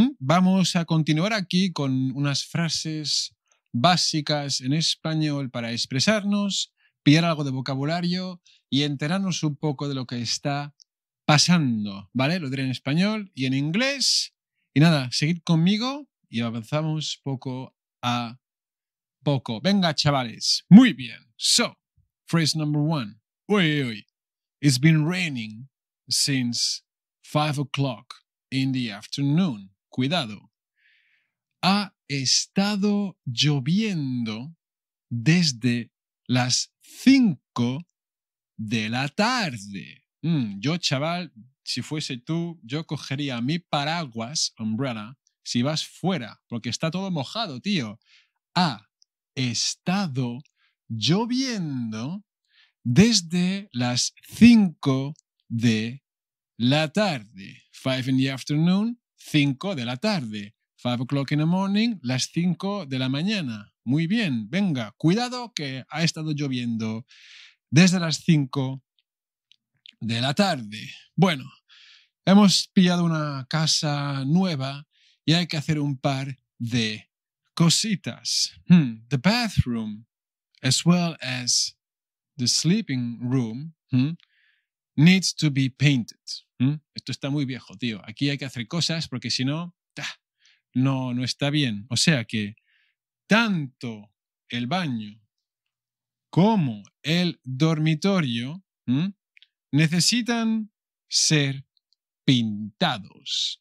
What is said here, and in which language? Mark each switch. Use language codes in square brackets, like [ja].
[es] Vamos a continuar aquí con unas frases básicas en español para expresarnos, pillar algo de vocabulario y enterarnos un poco de lo que está pasando. ¿Vale? Lo diré en español y en inglés. Y nada, seguid conmigo y avanzamos poco a poco. Venga, chavales. Muy bien. [en] So, phrase number one. [es] Uy, uy, uy. [en] It's been raining since 5 o'clock in the afternoon. [es] Cuidado. Ha estado lloviendo desde las 5 de la tarde. Yo, chaval, si fuese tú, yo cogería mi paraguas, umbrella, si vas fuera, porque está todo mojado, tío. Ha estado lloviendo desde las 5 de la tarde. [en] 5 in the afternoon, [es] 5 de la tarde. [en] 5 o'clock in the morning, [es] las 5 de la mañana. Muy bien, venga, cuidado que ha estado lloviendo desde las 5 de la tarde. Bueno, hemos pillado una casa nueva y hay que hacer un par de cositas. [en] The bathroom, as well as the sleeping room, needs to be painted. [es] Esto está muy viejo, tío. Aquí hay que hacer cosas porque si no, no está bien. O sea que tanto el baño como el dormitorio necesitan ser pintados.